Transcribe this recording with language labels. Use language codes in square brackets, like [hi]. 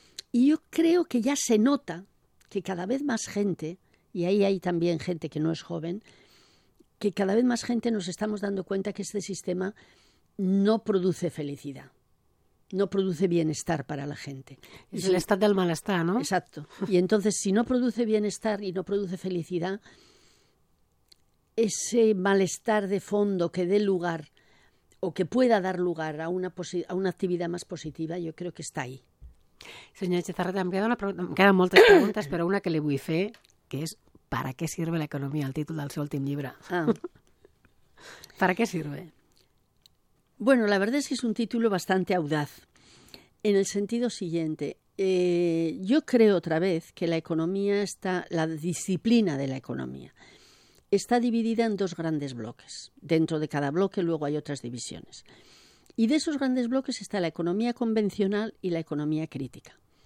[es] Y yo creo que ya se nota que cada vez más gente, y ahí hay también gente que no es joven, que cada vez más gente nos estamos dando cuenta que este sistema no produce felicidad, no produce bienestar para la gente. Es el estado del malestar, ¿no? Exacto. Y entonces, si no produce bienestar y no produce felicidad, ese malestar de fondo que dé lugar o que pueda dar lugar a una actividad más positiva, yo creo que está ahí. [ca] Senyora Chizarreta, em queden moltes preguntes, però una que li vull fer, que és per a què serveix l'economia, el títol del seu últim llibre. Per a què serveix? [es] Bueno, la verdad es que es un título bastante audaz, en el sentido siguiente. Yo creo otra vez que la economía está, la disciplina de la economía, está dividida en dos grandes bloques. Dentro de cada bloque luego hay otras divisiones. Y de esos grandes bloques está la economía convencional y la economía crítica.